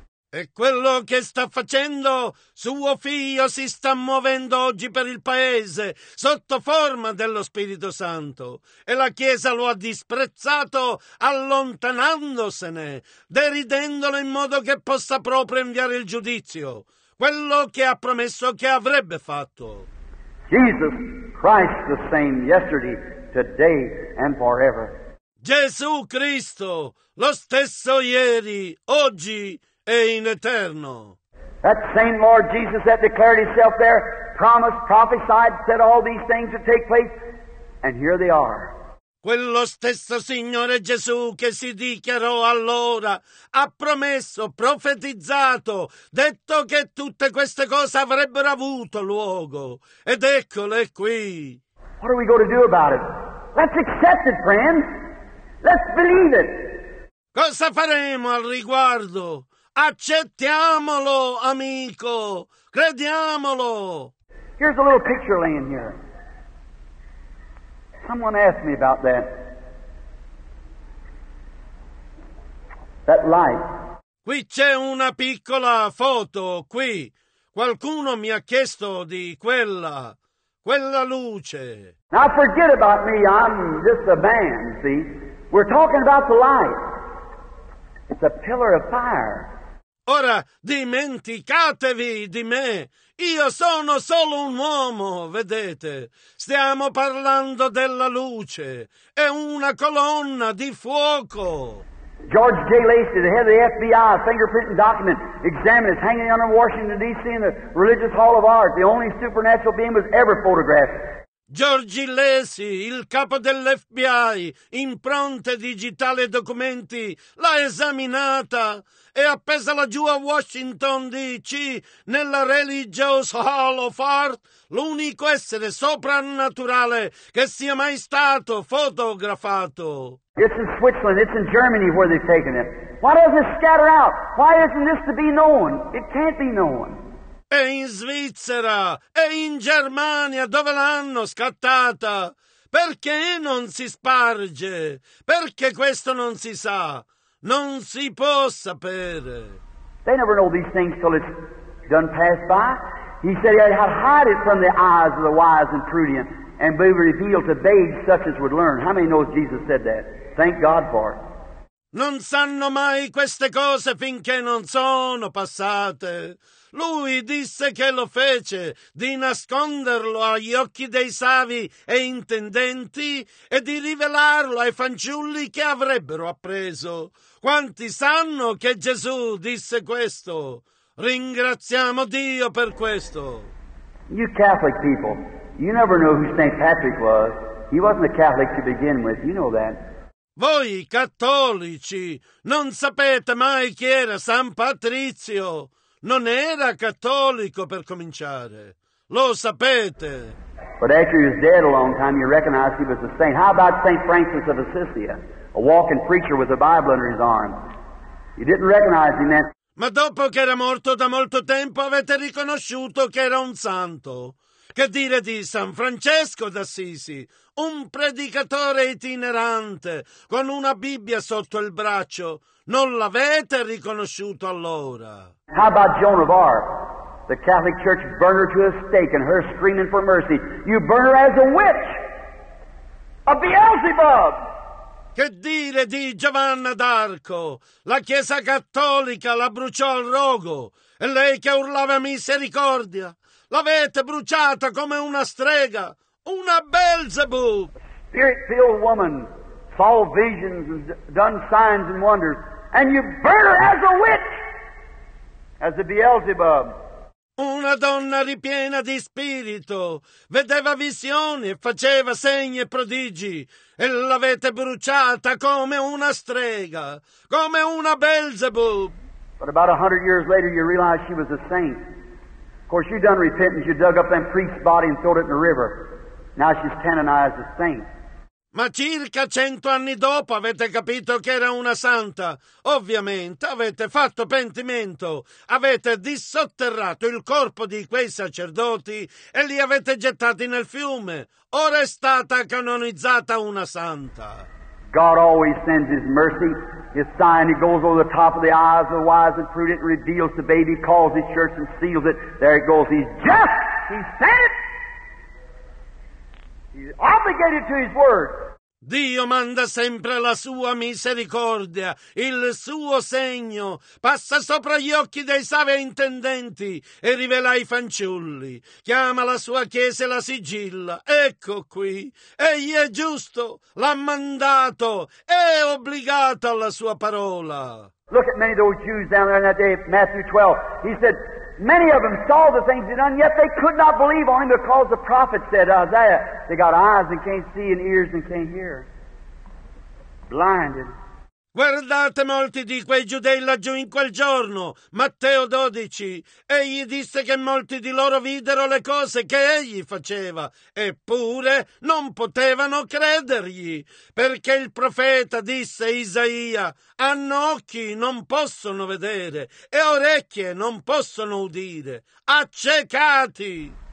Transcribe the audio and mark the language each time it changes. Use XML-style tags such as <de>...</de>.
<it>E quello che sta facendo, suo figlio si sta muovendo oggi per il paese sotto forma dello Spirito Santo e la Chiesa lo ha disprezzato allontanandosene, deridendolo in modo che possa proprio inviare il giudizio, quello che ha promesso che avrebbe fatto.</it> <en>Jesus Christ the same yesterday, today and forever.</en> <it>Gesù Cristo, lo stesso ieri, oggi e in eterno.</it> <en>That same Lord Jesus that declared himself there, promised, prophesied, said all these things to take place, and here they are.</en> <it>Quello stesso Signore Gesù che si dichiarò allora, ha promesso, profetizzato, detto che tutte queste cose avrebbero avuto luogo, ed eccole qui.</it> <en>What are we going to do about it? Let's accept it, friends. Let's believe it.</en> <it>Cosa faremo al riguardo? Accettiamolo, amico. Crediamolo.</it> <en>Here's a little picture laying here. Someone asked me about that. That light.</en> <it>Qui c'è una piccola foto, qui. Qualcuno mi ha chiesto di quella luce.</it> <en>Now forget about me, I'm just a man, see? We're talking about the light. It's a pillar of fire.</en> <it>Ora dimenticatevi di me. Io sono solo un uomo, vedete. Stiamo parlando della luce. È una colonna di fuoco.</it> <en>George J. Lacey, the head of the FBI, fingerprinting document, examined, is hanging under Washington, D.C. in the Religious Hall of Art, the only supernatural being was ever photographed.</en> <it>George Lacey, il capo dell'FBI, impronte digitali e documenti, l'ha esaminata e appesa laggiù a Washington D.C. nella Religious Hall of Art, l'unico essere soprannaturale che sia mai stato fotografato.</it> <en>It's in Switzerland, it's in Germany where they've taken it. Why does it scatter out? Why isn't this to be known? It can't be known.</en> <it>E in Svizzera, e in Germania, dove l'hanno scattata? Perché non si sparge? Perché questo non si sa? Non si può sapere.</it> <en>They never know these things till it's done passed by. He said he had hide it from the eyes of the wise and prudent, and be revealed to babes such as would learn. How many know Jesus said that? Thank God for it.</en> <it>Non sanno mai queste cose finché non sono passate. Lui disse che lo fece, di nasconderlo agli occhi dei savi e intendenti e di rivelarlo ai fanciulli che avrebbero appreso. Quanti sanno che Gesù disse questo? Ringraziamo Dio per questo.</it> <en>You Catholic people, you never know who St. Patrick was. He wasn't a Catholic to begin with, you know that.</en> <it>Voi cattolici non sapete mai chi era San Patrizio. Non era cattolico per cominciare. Lo sapete.</it> <en>But after he was dead a long time, you recognize he was a saint. How about St. Francis of Assisi, a walking preacher with a Bible under his arm? You didn't recognize him then.</en> <it>Ma dopo che era morto da molto tempo, avete riconosciuto che era un santo. Che dire di San Francesco d'Assisi, un predicatore itinerante, con una Bibbia sotto il braccio? Non l'avete riconosciuto allora?</it> <en>How about Joan of Arc? The Catholic Church burned her to a stake and her screaming for mercy. You burn her as a witch, a Beelzebub!</en> <it>Che dire di Giovanna d'Arco? La Chiesa Cattolica la bruciò al rogo e lei che urlava misericordia. L'avete bruciata come una strega, una Beelzebub!</it> <en>Spirit-filled woman saw visions and done signs and wonders, and you burn her as a witch, as a Beelzebub.</en> <it>Una donna ripiena di spirito, vedeva visioni e faceva segni e prodigi, e l'avete bruciata come una strega, come una Beelzebub!</it> <en>But about 100 years later you realize she was a saint. Of course, you done repentance, you dug up that priest's body and threw it in the river. Now she's canonized a saint.</en> <it>Ma circa 100 anni dopo avete capito che era una santa. Ovviamente avete fatto pentimento, avete dissotterrato il corpo di quei sacerdoti e li avete gettati nel fiume. Ora è stata canonizzata una santa.</it> <en>God always sends his mercy, his sign. He goes over the top of the eyes of the wise and prudent, reveals the baby, calls his church and seals it. There it goes. He's just. He said it. He's obligated to his word.</en> <it>Dio manda sempre la sua misericordia, il suo segno, passa sopra gli occhi dei savi intendenti e rivela ai fanciulli, chiama la sua chiesa e la sigilla, ecco qui, egli è giusto, l'ha mandato, è obbligato alla sua parola.</it> <en>Look at many of those Jews down there in that day, Matthew 12, he said, many of them saw the things he done, yet they could not believe on him because the prophet said, Isaiah, they got eyes and can't see and ears and can't hear. Blinded.</en> <it>Guardate molti di quei giudei laggiù in quel giorno, Matteo 12. Egli disse che molti di loro videro le cose che egli faceva, eppure non potevano credergli, perché il profeta disse Isaia, hanno occhi, non possono vedere, e orecchie, non possono udire, accecati.</it>